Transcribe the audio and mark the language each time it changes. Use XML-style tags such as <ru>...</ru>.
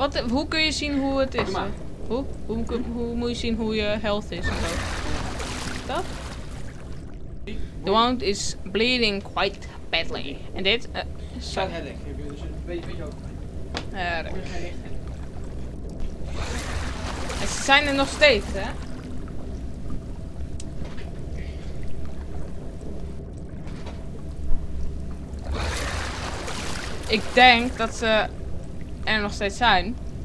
<nl>Hoe kun je zien hoe het is? Hoe moet je zien hoe je health is? Dat?</nl> <en>The wound is bleeding quite badly.</en> <nl>En dit? Zo. Ik heb dus een beetje ook. Ja, dat. Ze zijn er nog steeds, hè? Ik denk dat ze er nog steeds zijn.</nl>